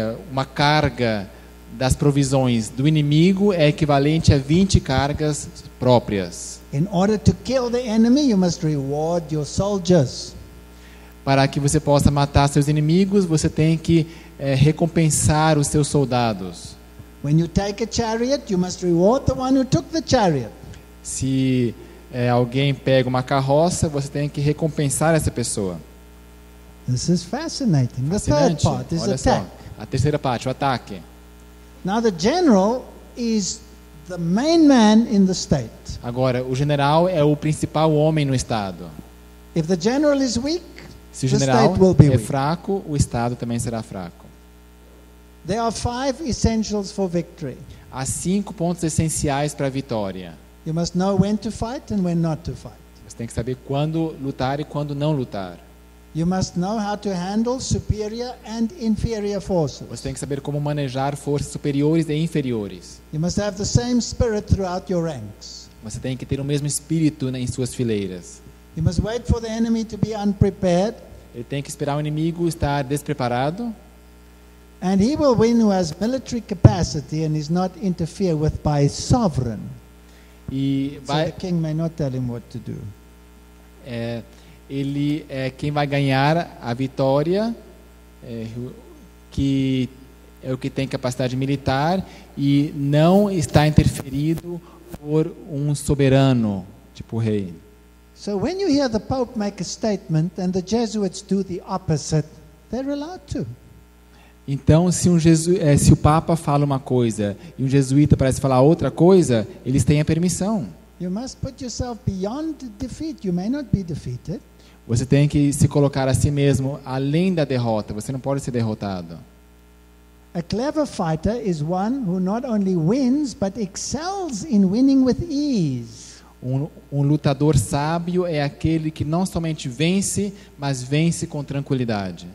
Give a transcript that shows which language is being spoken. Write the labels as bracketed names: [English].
[Portuguese] Uma carga das provisões do inimigo é equivalente a 20 cargas próprias. [English] In order to kill the enemy, you must reward your soldiers. [Portuguese] Para que você possa matar seus inimigos, você tem que recompensar os seus soldados. [English] When you take a chariot, you must reward the one who took the chariot. [Portuguese] Se alguém pega uma carroça, você tem que recompensar essa pessoa. [English] This is fascinating. The third part is attack. [Portuguese] A terceira parte, o ataque. [English] Now the general is the main man in the state. [Portuguese] Agora, o general é o principal homem no estado. [English] If the general is weak, [Portuguese] se o general [English] the state will be [Portuguese] é [English] weak. [Portuguese] Fraco, o estado também será fraco. [English] There are five essentials for victory. [Portuguese] Há 5 pontos essenciais para a vitória. [English] You must know when to fight and when not to fight. [Portuguese] Você tem que saber quando lutar e quando não lutar. [English] You must know how to handle superior and inferior forces. [Portuguese] Você tem que saber como manejar forças superiores e inferiores. [English] You must have the same spirit throughout your ranks. [Portuguese] Você tem que ter o mesmo espírito em suas fileiras. [English] You must wait for the enemy to be unprepared. [Portuguese] Ele tem que esperar o inimigo estar despreparado. [English] And he will win who has military capacity and is not interfered with by his sovereign. [Portuguese] E vai... [English] So the king may not tell him what to do. [Portuguese] Ele é quem vai ganhar a vitória, que é o que tem capacidade militar e não está interferido por um soberano, tipo rei. [English] So when you hear the Pope make a statement and the Jesuits do the opposite, they're allowed to. [Portuguese] Então, se se o Papa fala uma coisa e um jesuíta parece falar outra coisa, eles têm a permissão. [English] You must put yourself beyond defeat. You may not be defeated. [Portuguese] Você tem que se colocar a si mesmo além da derrota. Você não pode ser derrotado. [English] A clever fighter is one who not only wins but excels in winning with ease. [Portuguese] Um lutador sábio é aquele que não somente vence, mas vence com tranquilidade.